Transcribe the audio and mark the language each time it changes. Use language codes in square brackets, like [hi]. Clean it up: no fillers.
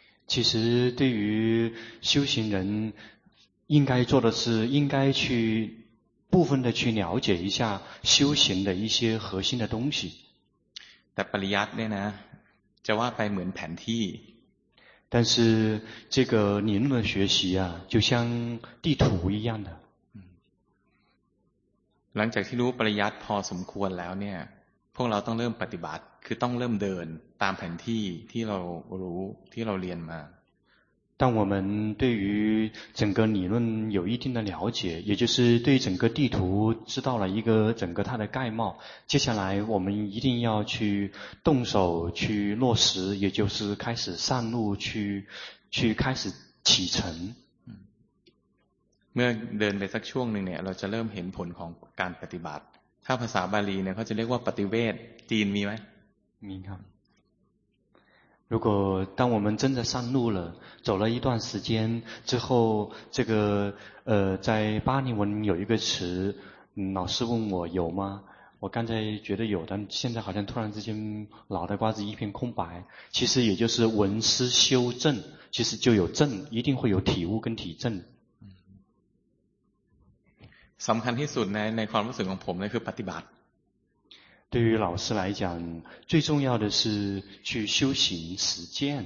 [zh] 其实对于修行人应该做的是应该去部分的去了解一下修行的一些核心的东西 [th] แต่ปริยัติเนี่ยนะจะว่าไปเหมือนแผนที่ [zh] 但是这个理论的学习啊就像地图一样的 [th] หลังจากที่รู้ปริยัติพอสมควรแล้วเนี่ยพวกเราต้องเริ่มปฏิบัติคือต้องเริ่มเดินตามแผนที่ที่เรารู้ที่เราเรียนมา [zh] 当我们对于整个理论有一定的了解，也就是对整个地图知道了一个整个它的概貌，接下来我们一定要去动手去落实，也就是开始上路去开始启程。 [th] เมื่อเดินไปสักช่วงหนึ่งเนี่ยเราจะเริ่มเห็นผลของการปฏิบัติถ้าภาษาบาลีเนี่ยเขาจะเรียกว่าปฏิเวทจีนมีไหม มีครับ [zh] 如果当我们真的上路了走了一段时间之后这个在巴利文有一个词老师问我有吗我刚才觉得有但现在好像突然之间脑袋瓜子一片空白其实也就是闻思修证其实就有证一定会有体悟跟体证 [th] สำคัญที่สุดในความรู้สึกของผมนี่คือปฏิบัติ [zh] 对于老师来讲最重要的是去修行实践